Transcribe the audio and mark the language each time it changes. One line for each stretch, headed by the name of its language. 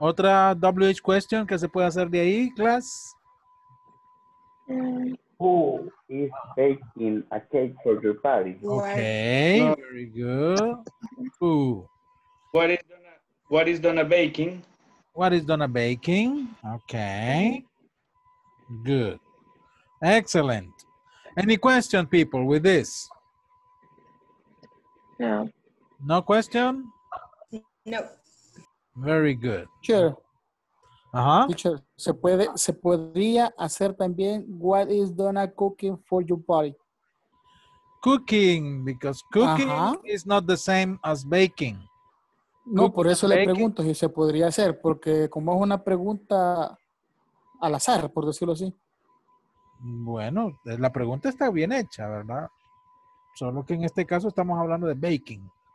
Spanish: ¿Otra WH question que se puede hacer de ahí, class?
English: Who is baking a cake for your party? Okay, very good. Who? What is Donna baking? What is Donna baking? Okay, good. Excellent. Any question, people, with this? No. No question? No. Very good. Sure. Uh-huh. Teacher,
Spanish: se podría hacer también
English: what is Donna cooking for your party? Cooking, because cooking is not the same as baking.
Spanish: No, por eso le pregunto si se podría hacer, porque como es una pregunta al azar, por decirlo así. Bueno, la pregunta está bien hecha, ¿verdad? Solo que en este caso estamos hablando de baking.